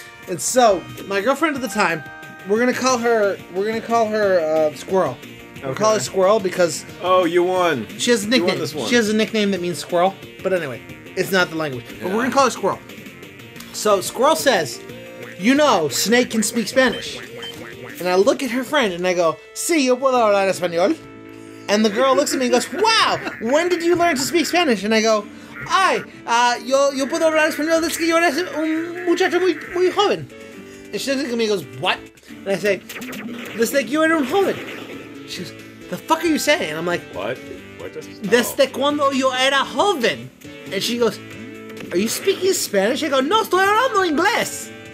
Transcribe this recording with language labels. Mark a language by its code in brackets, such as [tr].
[en] And so my girlfriend at the time, we're going to call her Squirrel. Okay. We'll call her Squirrel because... Oh, you won. She has a nickname. You won this one. She has a nickname that means squirrel, but anyway. It's not the language. But we're going to call her Squirrel. So Squirrel says, you know, Snake can speak Spanish. And I look at her friend and I go, [es] sí, yo puedo hablar español. [en] And the girl looks at me and goes, wow, when did you learn to speak Spanish? And I go, [es] ay, yo puedo hablar español desde que yo era un muchacho muy, muy joven. [en] And she looks at me and goes, what? And I say, [es] desde que yo era un joven. [en] She goes, the fuck are you saying? And I'm like, [es] desde cuando yo era joven. [en] And she goes, are you speaking Spanish? I go, [es] no, estoy hablando inglés.